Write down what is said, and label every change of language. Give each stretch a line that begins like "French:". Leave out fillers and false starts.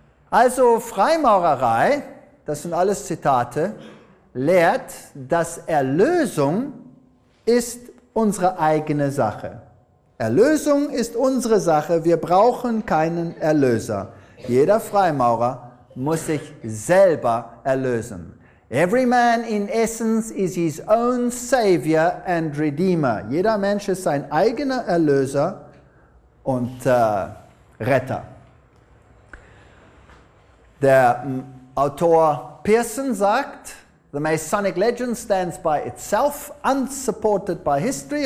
German: Also Freimaurerei, das sind alles Zitate, lehrt, dass Erlösung ist unsere eigene Sache. Erlösung ist unsere Sache, wir brauchen keinen Erlöser. Jeder Freimaurer muss sich selber erlösen.
English: Every man in essence is his own savior and redeemer.
German: Jeder Mensch ist sein eigener Erlöser und Retter. Der Autor Pearson sagt,
English: the Masonic legend stands by itself, unsupported by history.